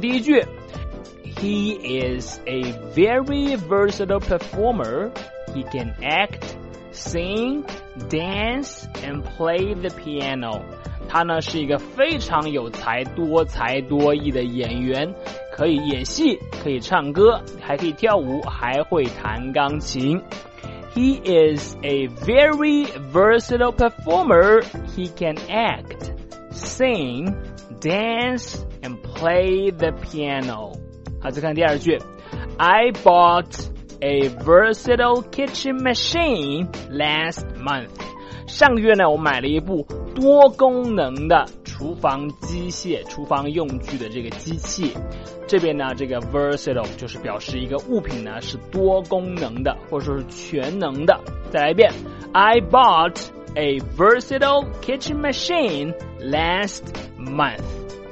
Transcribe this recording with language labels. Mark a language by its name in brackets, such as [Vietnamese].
[Chinese] 第一句， [English] He is a very versatile performer. He can actSing, dance, and play the piano. [Chinese] 他呢是一个非常有才、多才多艺的演员，可以演戏，可以唱歌，还可以跳舞，还会弹钢琴。 [English] He is a very versatile performer. He can act, sing, dance, and play the piano. [Chinese] 好，再看第二句。 [English] I bought a versatile kitchen machine last month. [Chinese] 上个月呢，我买了一部多功能的厨房机械、厨房用具的这个机器。这边呢，这个 versatile 就是表示一个物品呢是多功能的，或者说是全能的。再来一遍， [English] I bought a versatile kitchen machine last month.